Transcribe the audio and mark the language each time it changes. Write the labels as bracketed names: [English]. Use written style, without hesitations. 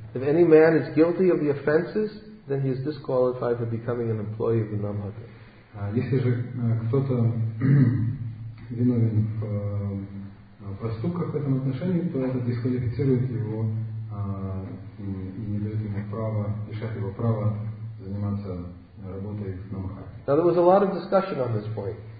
[English] If any man is guilty of the offenses, then he is disqualified for becoming an employee of the Namhaka. [Russian] Если же кто-то виновен в проступках в этом отношении, то это дисквалифицирует его. И не дает ему права, лишает его права заниматься работой в Намхаке. [English] Now there was a lot of discussion on this point.